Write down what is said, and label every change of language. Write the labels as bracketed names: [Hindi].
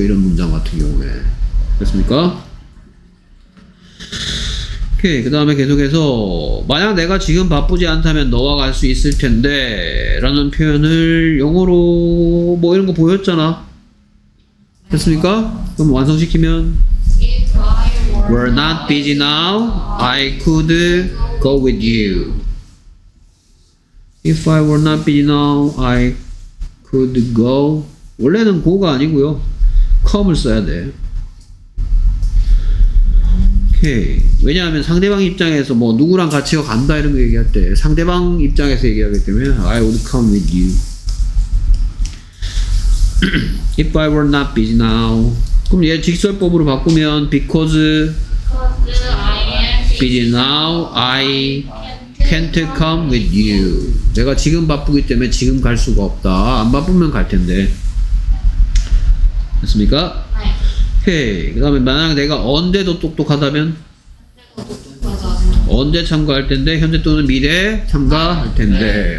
[Korean] 이런 문장 같은 경우에. 됐습니까? 오케이. 그 다음에 계속해서 만약 내가 지금 바쁘지 않다면 너와 갈 수 있을 텐데 라는 표현을 영어로 뭐 이런 거 보였잖아. 됐습니까? 그럼 완성시키면 [English] If I were not busy now, I could go with you. If I were not busy now, I could go. [Korean] 원래는 go가 아니고요. come을 써야 돼. 왜냐하면 상대방 입장에서 뭐 누구랑 같이 간다 이런 거 얘기할 때 상대방 입장에서 얘기하기 때문에 [English] I would come with you. If I were not busy now. [Korean] 그럼 얘 직설법으로 바꾸면 [English] Because I am busy now, I can't come with you. [Korean] 내가 지금 바쁘기 때문에 지금 갈 수가 없다. 안 바쁘면 갈 텐데. 됐습니까? 네. 오케이. 그 다음에 만약 내가 언제도 똑똑하다면? 언제 참가할 텐데? 현재 또는 미래 참가할 텐데.